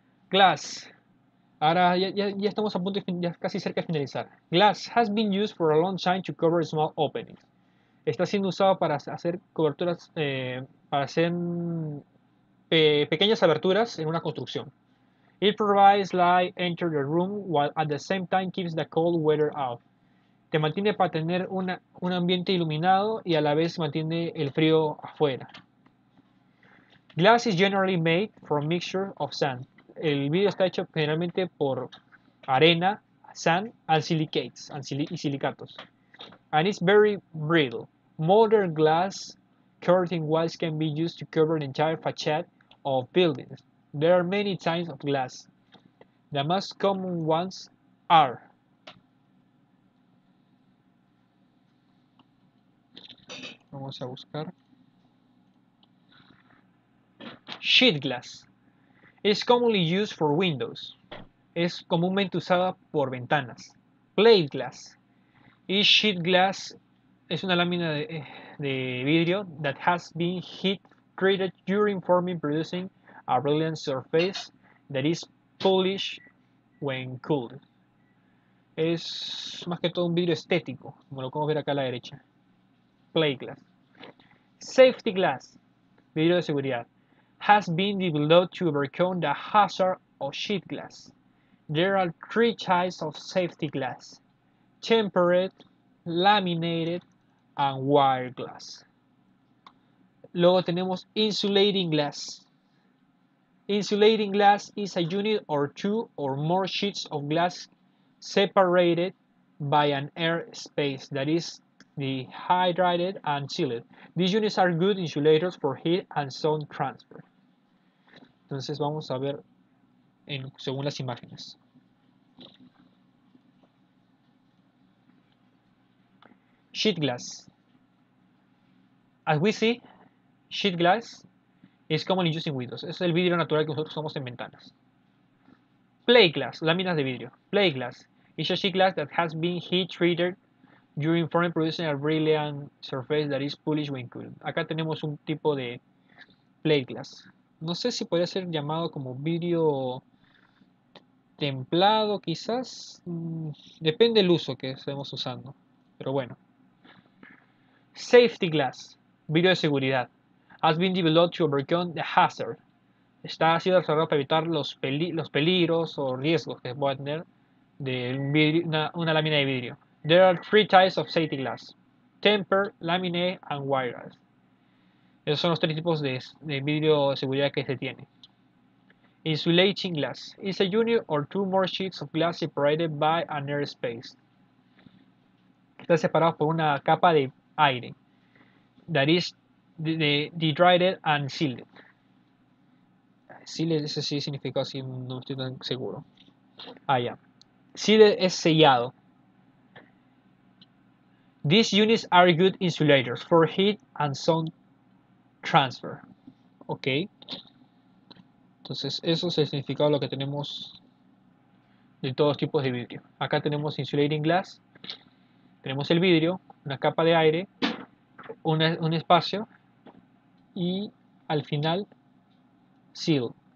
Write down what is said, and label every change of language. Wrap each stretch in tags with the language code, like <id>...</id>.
<es>Glass. Ahora ya estamos a punto, ya casi cerca de finalizar.</es> <en>Glass has been used for a long time to cover small openings.</en> <es>Está siendo usado para hacer coberturas, para hacer pequeñas aberturas en una construcción.</es> <en>It provides light enter the room while at the same time keeps the cold weather out.</en> <es>Te mantiene para tener un ambiente iluminado y a la vez mantiene el frío afuera.</es> <en>Glass is generally made from mixture of sand.</en> <es>El vidrio está hecho generalmente por arena, sand y silicatos.</es> <en>And it's very brittle. Modern glass curtain walls can be used to cover the entire facade of buildings. There are many types of glass. The most common ones are.</en> <es>Vamos a buscar.</es> <en>Sheet glass. It's commonly used for windows.</en> <es>Es comúnmente usada por ventanas. Plate glass.</es> <en>Is sheet glass.</en> <es>Es una lámina de vidrio</es> <en>that has been heat treated during forming, producing a brilliant surface that is polished when cooled.</en> <es>Es más que todo un vidrio estético, como lo podemos ver acá a la derecha.</es> <en>Plate glass. Safety glass,</en> <es>vidrio de seguridad,</es> <en>has been developed to overcome the hazard of sheet glass. There are three types of safety glass: tempered, laminated, and wire glass.</en> <es>Luego tenemos</es> <en>insulating glass. Insulating glass is a unit or two or more sheets of glass separated by an air space that is dehydrated and sealed. These units are good insulators for heat and sound transfer.</en> <es>Entonces vamos a ver según las imágenes.</es> <en>Sheet glass. As we see, sheet glass is commonly used in windows.</en> <es>Es el vidrio natural que nosotros usamos en ventanas.</es> <en>Plate glass,</en> <es>láminas de vidrio.</es> <en>Plate glass is a sheet glass that has been heat treated during forming producing a brilliant surface that is polished when cool.</en> <es>Acá tenemos un tipo de plate glass. No sé si podría ser llamado como vidrio templado, quizás. Depende del uso que estemos usando. Pero bueno. Safety glass. Vidrio de seguridad.</es> <en>Has been developed to overcome the hazard.</en> <es>Está sido desarrollado para evitar los peligros o riesgos que pueda tener de un vidrio, una lámina de vidrio.</es> <en>There are three types of safety glass. Tempered, laminate, and wireless.</en> <es>Esos son los tres tipos de vidrio de seguridad que se tiene.</es> <en>Insulating glass. It's a unit or two more sheets of glass separated by an air space.</en> <es>Está separado por una capa de aire.</es> <en>That is dehydrated and sealed.</en> <es>Sealed, ese sí significa así, no estoy tan seguro. Ah, ya. Sealed es sellado.</es> <en>These units are good insulators for heat and sound transfer. Ok.</en> <es>Entonces, eso es el significado de lo que tenemos de todos los tipos de vidrio. Acá tenemos insulating glass. Tenemos el vidrio, una capa de aire, un espacio y al final seal.</es>